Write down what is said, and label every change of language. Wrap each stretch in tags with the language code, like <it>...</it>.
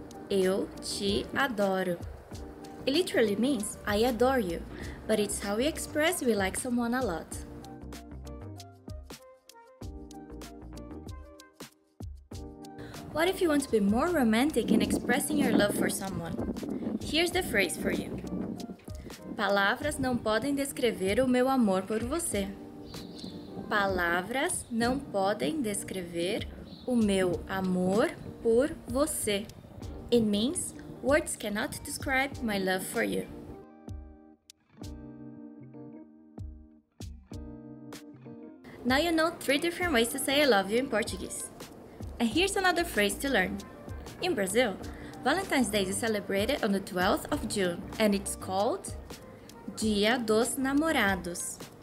<pt>Eu te adoro.</pt> <en>It literally means I adore you, but it's how we express we like someone a lot. What if you want to be more romantic in expressing your love for someone? Here's the phrase for you.</en> <pt>Palavras não podem descrever o meu amor por você. Palavras não podem descrever o meu amor por você.</pt> <en>It means, words cannot describe my love for you. Now you know three different ways to say I love you in Portuguese. And here's another phrase to learn. In Brazil, Valentine's Day is celebrated on the 12th of June, and it's called Dia dos Namorados.</en>